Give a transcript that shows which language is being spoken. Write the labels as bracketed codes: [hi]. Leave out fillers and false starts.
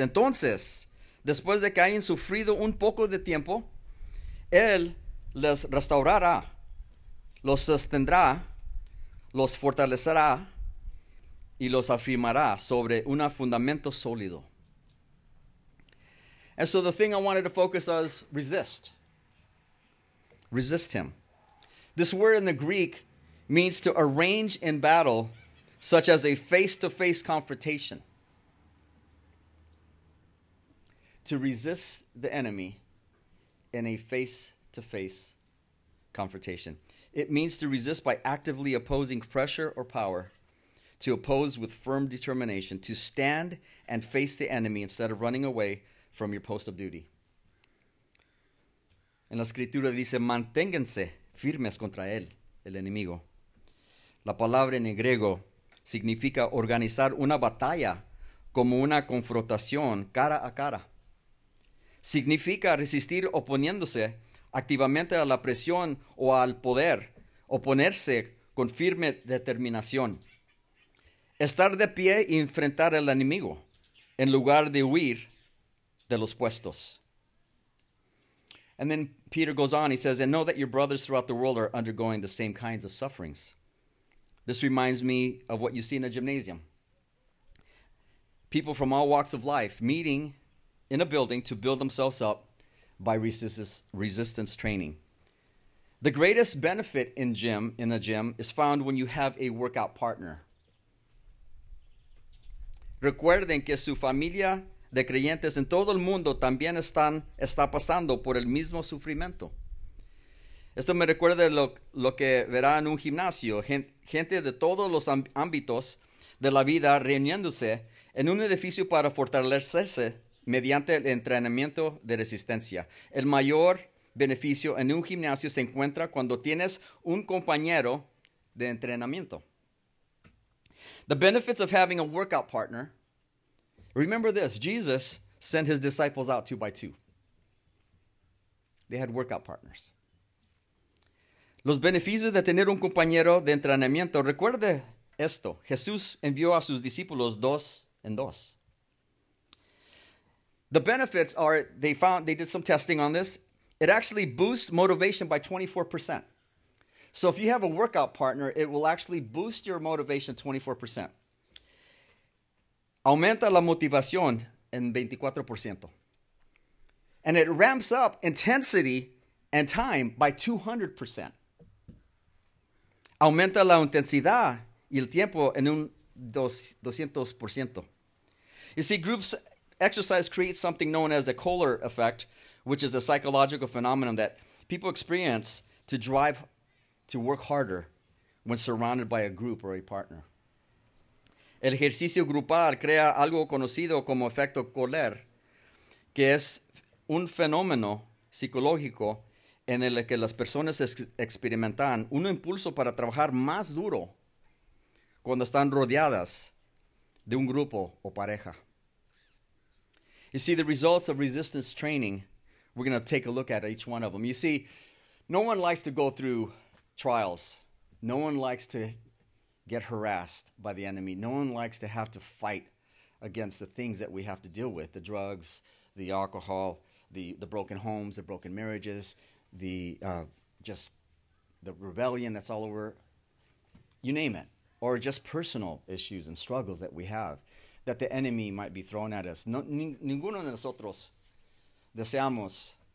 [es] Entonces, después de que hayan sufrido un poco de tiempo, Él les restaurará, los sostendrá, los fortalecerá y los afirmará sobre un fundamento sólido. [en] And so the thing I wanted to focus on is resist. Resist him. This word in the Greek means to arrange in battle, such as a face-to-face confrontation. To resist the enemy in a face-to-face confrontation. It means to resist by actively opposing pressure or power, to oppose with firm determination, to stand and face the enemy instead of running away from your post of duty. [es] En la escritura dice, manténganse firmes contra él, el enemigo. La palabra en griego significa organizar una batalla como una confrontación cara a cara. Significa resistir oponiéndose activamente a la presión o al poder, oponerse con firme determinación. Estar de pie y enfrentar al enemigo en lugar de huir de los puestos. [en] And then Peter goes on, he says, and know that your brothers throughout the world are undergoing the same kinds of sufferings. This reminds me of what you see in a gymnasium. People from all walks of life meeting in a building to build themselves up by resistance training. The greatest benefit in a gym is found when you have a workout partner. [es] Recuerden que su familia de creyentes en todo el mundo también está pasando por el mismo sufrimiento. Esto me recuerda lo que verá en un gimnasio, gente de todos los ámbitos de la vida reuniéndose en un edificio para fortalecerse mediante el entrenamiento de resistencia. El mayor beneficio en un gimnasio se encuentra cuando tienes un compañero de entrenamiento. [en] The benefits of having a workout partner. Remember this, Jesus sent his disciples out 2 by 2. They had workout partners. [es] Los beneficios de tener un compañero de entrenamiento. Recuerde esto. Jesús envió a sus discípulos 2 and 2. [en] The benefits are, they did some testing on this. It actually boosts motivation by 24%. So if you have a workout partner, it will actually boost your motivation 24%. [es] Aumenta la motivación en 24%. [en] And it ramps up intensity and time by 200%. [es] Aumenta la intensidad y el tiempo en un 200%. [en] You see, groups exercise creates something known as the Kohler effect, which is a psychological phenomenon that people experience to drive to work harder when surrounded by a group or a partner. [es] El ejercicio grupal crea algo conocido como efecto Kohler, que es un fenómeno psicológico en el que las personas experimentan un impulso para trabajar más duro cuando están rodeadas de un grupo o pareja. [en] You see, the results of resistance training, we're going to take a look at each one of them. You see, no one likes to go through trials. No one likes to get harassed by the enemy. No one likes to have to fight against the things that we have to deal with, the drugs, the alcohol, the broken homes, the broken marriages, just the rebellion that's all over, you name it, or just personal issues and struggles that we have that the enemy might be throwing at us. [es] No, ninguno de nosotros deseamos